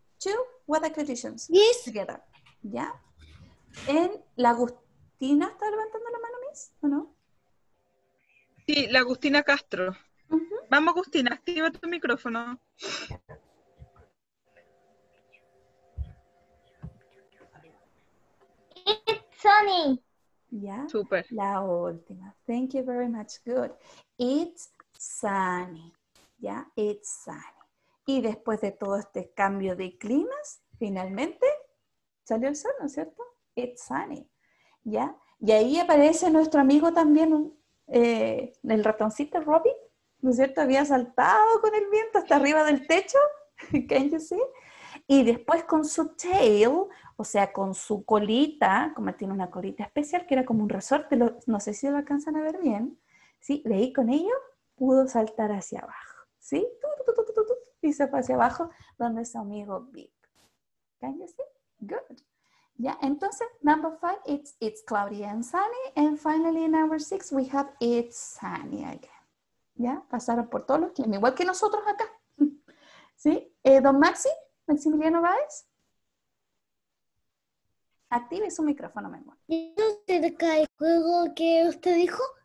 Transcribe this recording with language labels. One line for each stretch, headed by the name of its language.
English: Two weather conditions together.
Spanish: ¿Ya? ¿En la Agustina está levantando la mano, Miss? ¿O no? Sí, la Agustina Castro. Uh-huh. Vamos, Agustina, activa tu micrófono.
English: It's sunny.
Spanish: ¿Ya? Super. La última.
English: Thank you very much. Good. It's sunny. ¿Ya? It's sunny.
Spanish: Y después de todo este cambio de climas, finalmente salió el sol, ¿no es cierto?
English: It's sunny.
Spanish: ¿Ya? Y ahí aparece nuestro amigo también, el ratoncito Robbie, ¿no es cierto? Había saltado con el viento hasta arriba del techo.
English: Can you see?
Spanish: Y después con su tail, o sea, con su colita, como tiene una colita especial, que era como un resorte, no sé si lo alcanzan a ver bien, ¿sí? De ahí con ello pudo saltar hacia abajo, ¿sí? Y se fue hacia abajo donde su amigo Vic.
English: ¿Can you see? Good. Ya, entonces, number five, it's cloudy and sunny. And finally, number six, we have it's sunny again. ¿Ya?
Spanish: Pasaron por todos los climas, igual que nosotros acá. ¿Sí? Don Maxi, Maximiliano Báez. Active su micrófono, mi amor. ¿Yo te cae el juego que usted dijo?